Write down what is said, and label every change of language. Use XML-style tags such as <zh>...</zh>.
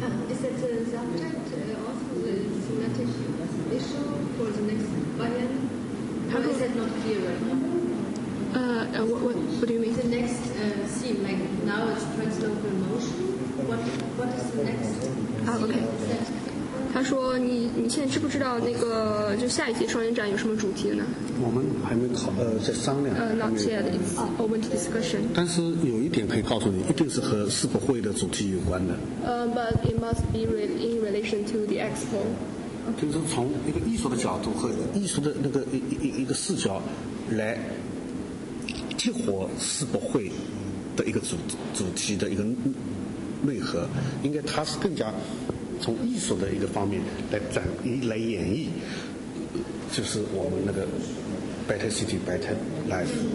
<en>Is it the subject also the thematic issue for the next Bayan? How is it not here right now? What do you mean? The next scene, like now it's translocal motion. What is the next? Ah, okay.</en> <zh>他说你现在知不知道那个就下一届双年展有什么主题呢？我们还没考在商量。</zh> <en>Not yet. It's open to discussion.</en> <zh>但是有一点可以告诉你，一定是和世博会的主题有关的。</zh> <en>But it must be in relation to the expo.</en> <zh>就是从一个艺术的角度和艺术的那个一个视角来激活世博会的一个主题的一个内核，应该它是更加从艺术的一个方面来演绎，就是我们那个</zh> <en>Better City, Better Life。</en>